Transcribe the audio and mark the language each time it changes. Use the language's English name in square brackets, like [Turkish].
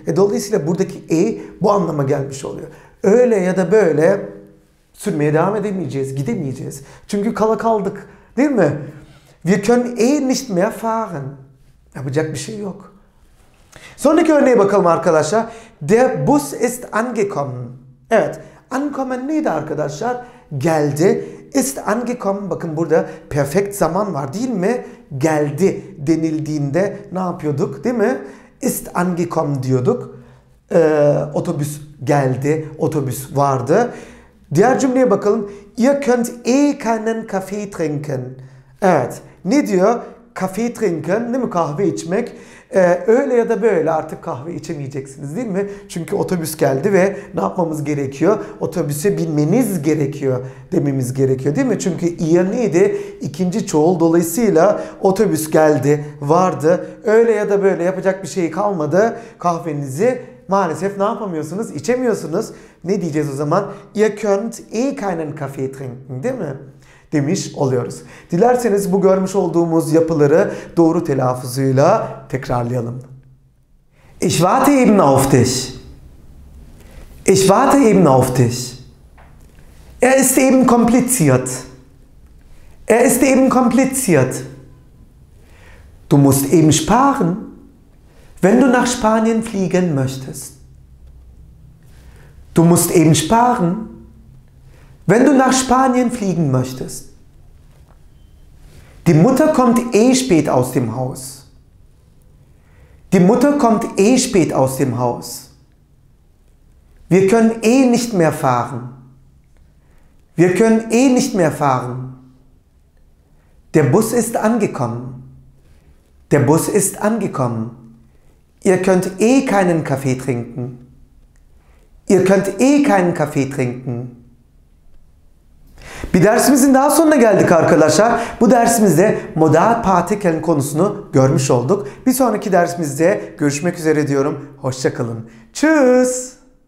[Turkish] Dolayısıyla buradaki bu anlama gelmiş oluyor. Öyle ya da böyle sürmeye devam edemeyeceğiz, gidemeyeceğiz. Çünkü kala kaldık, değil mi? [German] Wir können nicht mehr fahren. [Turkish] Yapacak bir şey yok. Sonraki örneğe bakalım arkadaşlar. [German] Der Bus ist angekommen. [Turkish] Evet. Ankommen neydi arkadaşlar? Geldi. [German] Ist angekommen. [Turkish] Bakın burada perfekt zaman var, değil mi? Geldi denildiğinde ne yapıyorduk, değil mi? [German] Ist angekommen [Turkish] diyorduk. Otobüs geldi. Otobüs vardı. Diğer cümleye bakalım. [German] Ihr könnt keinen Kaffee trinken. [Turkish] Evet. Ne diyor? [German] Kafe trinken, [Turkish] değil mi? Kahve içmek. Öyle ya da böyle artık kahve içemeyeceksiniz, değil mi? Çünkü otobüs geldi ve ne yapmamız gerekiyor? Otobüse binmeniz gerekiyor dememiz gerekiyor, değil mi? Çünkü ihr neydi? İkinci çoğul. Dolayısıyla otobüs geldi, vardı. Öyle ya da böyle yapacak bir şey kalmadı. Kahvenizi maalesef ne yapamıyorsunuz? İçemiyorsunuz. Ne diyeceğiz o zaman? [German] Ihr könnt keinen Kaffee trinken, [Turkish] değil mi? Demiş oluyoruz. Dilerseniz bu görmüş olduğumuz yapıları doğru telaffuzuyla tekrarlayalım. [German] Ich warte eben auf dich. Ich warte eben auf dich. Ist eben kompliziert. Ist eben kompliziert. Du musst eben sparen, wenn du nach Spanien fliegen möchtest. Du musst eben sparen, wenn du nach Spanien fliegen möchtest. Die Mutter kommt spät aus dem Haus. Die Mutter kommt spät aus dem Haus. Wir können nicht mehr fahren. Wir können nicht mehr fahren. Der Bus ist angekommen. Der Bus ist angekommen. Ihr könnt keinen Kaffee trinken. Ihr könnt keinen Kaffee trinken. [Turkish] Bir dersimizin daha sonuna geldik arkadaşlar. Bu dersimizde modal partikelin konusunu görmüş olduk. Bir sonraki dersimizde görüşmek üzere diyorum. Hoşça kalın. Tschüss.